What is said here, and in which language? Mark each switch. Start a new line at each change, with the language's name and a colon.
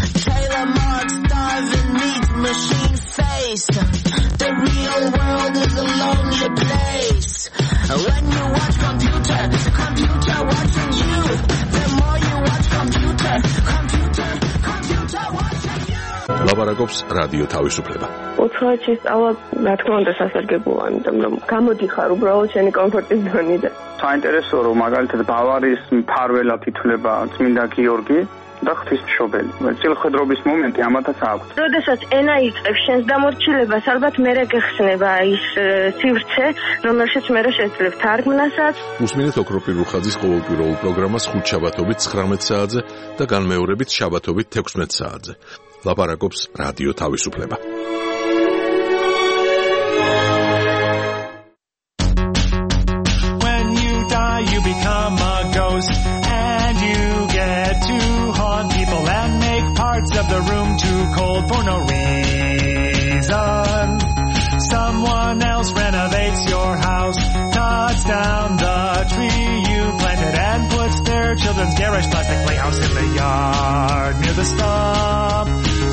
English: Taylor Marks, Darwin, meet machine face. The real world is a lonely place. When you watch computer, computer watching you. The more you watch computer, computer, computer watching you.
Georgian: ლაბარაკობს რადიო თავისუფლება. უცხოეთში სწავლა, რა თქმა უნდა, სასარგებლოა, იმიტომ რომ გამოდიხარ უბრალოდ შენი კომფორტის ზონიდან. საინტერესოა, რომ მაგალითად ბავარიის მფარველად ითვლება წმინდა გიორგი და ღვთისმშობელი. წელხედრობის მომენტი ამათაც აქვს. როდესაც ენა იწევს შენს დამორჩილებას, ალბათ მერე გეხსნება ის სივრცე, რომელშიც მერე შეძლებ თარგმნასაც. უსმინეთ ოქროპირუხაძის ყოველკვირეულ პროგრამას 5 შაბათობით 19 საათზე და განმეორებით შაბათობით 16 საათზე. ლაპარაკობს რადიო თავისუფლება.
English: When you die you become a ghost and you get to haunt people and make parts of the room too cold for no reason. Someone else renovates your house, cuts down the tree you planted and puts their children's garish plastic playhouse in the yard near the stump.